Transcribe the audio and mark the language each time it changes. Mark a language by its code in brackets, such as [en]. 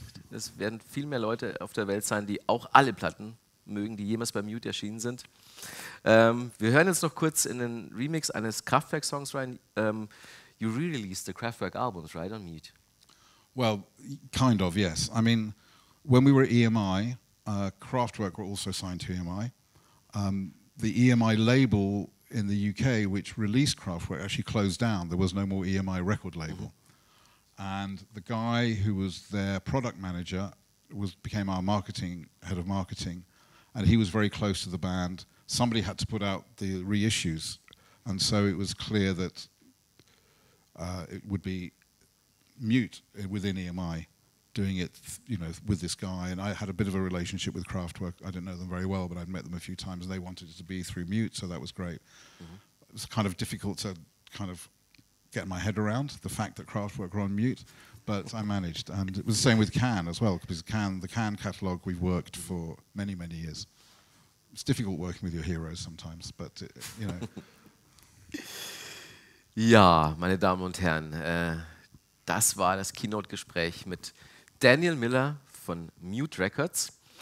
[de] Es werden viel mehr Leute auf der Welt sein, die auch alle Platten mögen, die jemals bei Mute erschienen sind. Wir hören jetzt noch kurz in den Remix eines Kraftwerk-Songs rein. [en] You re-released the Kraftwerk albums, right, on Mute? Well, kind of, yes. I mean, when we were at EMI, Kraftwerk were also signed to EMI. The EMI label in the UK, which released Kraftwerk, actually closed down. There was no more EMI record label. Mm-hmm. And the guy who was their product manager became our head of marketing, and he was very close to the band. Somebody had to put out the reissues, and so it was clear that it would be Mute within EMI doing it, you know, with this guy. And I had a bit of a relationship with Kraftwerk. I didn't know them very well, but I'd met them a few times, and they wanted it to be through Mute, so that was great. Mm-hmm. It was kind of difficult to kind of get my head around the fact that Kraftwerk were on Mute, but I managed. And it was the same with Can as well, because the Can catalogue we've worked for many, many years. It's difficult working with your heroes sometimes, but, you know. [de] Ja, meine Damen und Herren, das war das Keynote-Gespräch mit Daniel Miller von Mute Records.